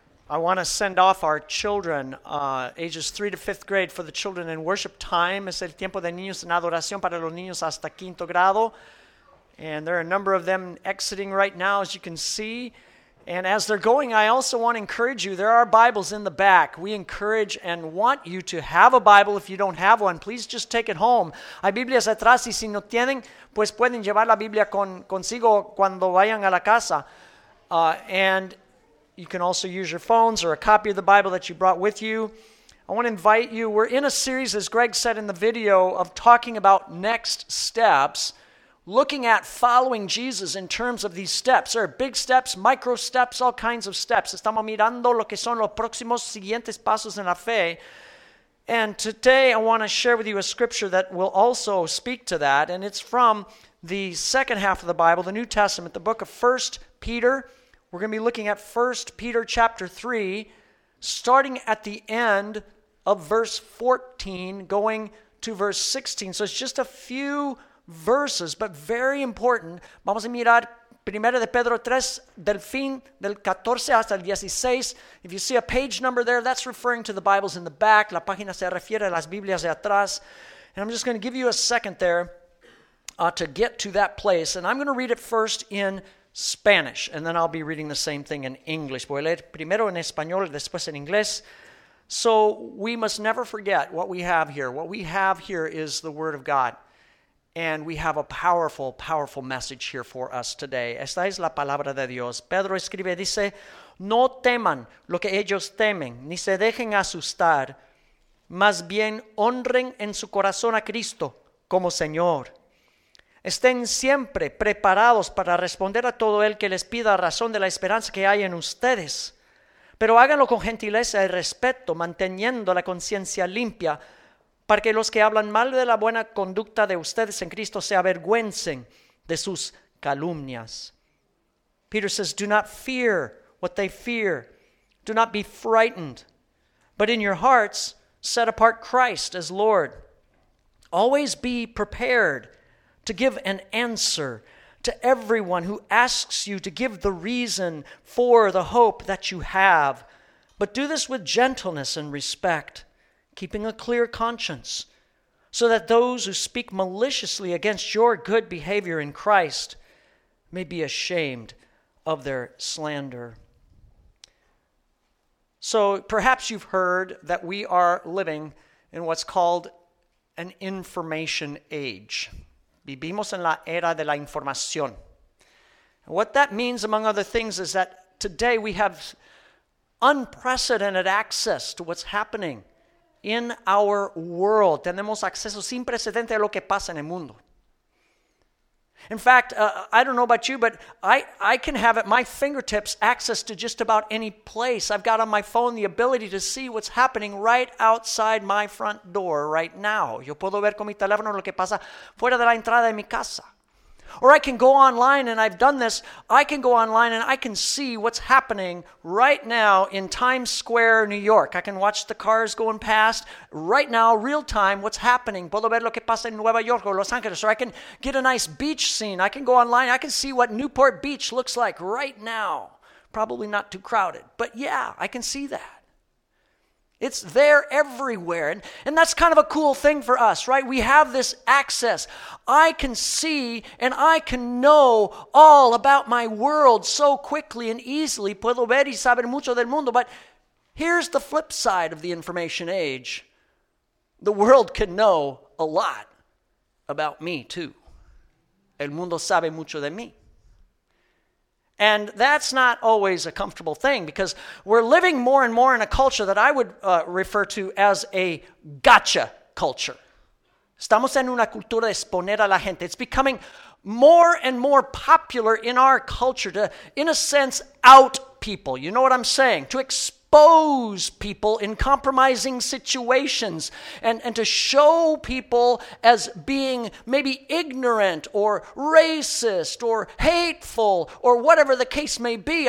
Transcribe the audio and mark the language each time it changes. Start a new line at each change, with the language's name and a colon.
English: I want to send off our children, ages 3 to 5th grade, for the children in worship time.
Spanish: Es el tiempo de niños en adoración para los niños hasta quinto grado.
English: And there are a number of them exiting right now, as you can see. And as they're going, I also want to encourage you, there are Bibles in the back. We encourage and want you to have a Bible. If you don't have one, please just take it home.
Spanish: Hay Biblias atrás, y si no tienen, pues pueden llevar la Biblia consigo cuando vayan a la casa.
English: And you can also use your phones or a copy of the Bible that you brought with you. I want to invite you. We're in a series, as Greg said in the video, of talking about next steps, looking at following Jesus in terms of these steps. There are big steps, micro steps, all kinds of steps.
Spanish: Estamos mirando lo que son los próximos siguientes pasos en la fe.
English: And today I want to share with you a scripture that will also speak to that. And it's from the second half of the Bible, the New Testament, the book of 1 Peter. We're going to be looking at 1 Peter chapter 3, starting at the end of verse 14, going to verse 16. So it's just a few verses, but very important.
Spanish: Vamos a mirar Primera de Pedro 3, del fin del 14 hasta el 16.
English: If you see a page number there, that's referring to the Bibles in the back.
Spanish: La página se refiere a las Biblias de atrás.
English: And I'm just going to give you a second there to get to that place. And I'm going to read it first in Spanish, and then I'll be reading the same thing in English.
Spanish: Voy a leer primero en español, después en inglés.
English: So we must never forget what we have here. What we have here is the Word of God. And we have a powerful, powerful message here for us today.
Spanish: Esta es la palabra de Dios. Pedro escribe, dice, no teman lo que ellos temen, ni se dejen asustar. Más bien, honren en su corazón a Cristo como Señor. Estén siempre preparados para responder a todo el que les pida razón de la esperanza que hay en ustedes. Pero háganlo con gentileza y respeto, manteniendo la conciencia limpia, para que los que hablan mal de la buena conducta de ustedes en Cristo se avergüencen de sus calumnias.
English: Peter says, do not fear what they fear. Do not be frightened. But in your hearts, set apart Christ as Lord. Always be prepared to give an answer to everyone who asks you to give the reason for the hope that you have. But do this with gentleness and respect, keeping a clear conscience, so that those who speak maliciously against your good behavior in Christ may be ashamed of their slander. So perhaps you've heard that we are living in what's called an information age.
Spanish: Vivimos en la era de la información.
English: What that means, among other things, is that today we have unprecedented access to what's happening in our world.
Spanish: Tenemos acceso sin precedente a lo que pasa en el mundo.
English: In fact, I don't know about you, but I can have at my fingertips access to just about any place. I've got on my phone the ability to see what's happening right outside my front door right now.
Spanish: Yo puedo ver con mi teléfono lo que pasa fuera de la entrada de mi casa.
English: Or I can go online, and I've done this. I can go online and I can see what's happening right now in Times Square, New York. I can watch the cars going past right now, real time, what's happening.
Spanish: Puedo ver lo que pasa en Nueva York
English: or Los Angeles. Or I can get a nice beach scene. I can go online. I can see what Newport Beach looks like right now. Probably not too crowded. But yeah, I can see that. It's there everywhere. And that's kind of a cool thing for us, right? We have this access. I can see and I can know all about my world so quickly and easily.
Spanish: Puedo ver y saber mucho del mundo.
English: But here's the flip side of the information age. The world can know a lot about me too.
Spanish: El mundo sabe mucho de mí.
English: And that's not always a comfortable thing, because we're living more and more in a culture that I would refer to as a gotcha culture.
Spanish: Estamos en una cultura de exponer a la gente.
English: It's becoming more and more popular in our culture to, in a sense, out people. You know what I'm saying? To expose people in compromising situations and to show people as being maybe ignorant or racist or hateful or whatever the case may be.